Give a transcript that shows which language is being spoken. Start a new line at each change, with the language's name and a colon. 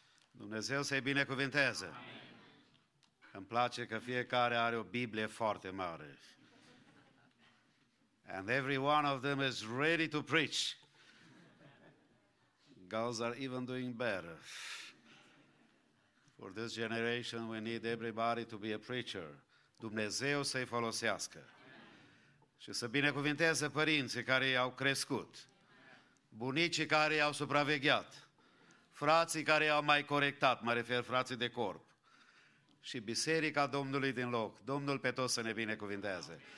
Romanian: Dumnezeu să-i binecuvinteze. Amen. Îmi place că fiecare are o Biblie foarte mare.
English: And every one of them is ready to preach. Girls are even doing better. For this generation, we need everybody to be a preacher.
Romanian: Dumnezeu să-i folosească. Și să binecuvinteze părinții care i-au crescut. Bunicii care i-au supravegheat. Frații care i-au mai corectat, mă refer frații de corp. Și biserica Domnului din loc, Domnul pe toți să ne binecuvinteze.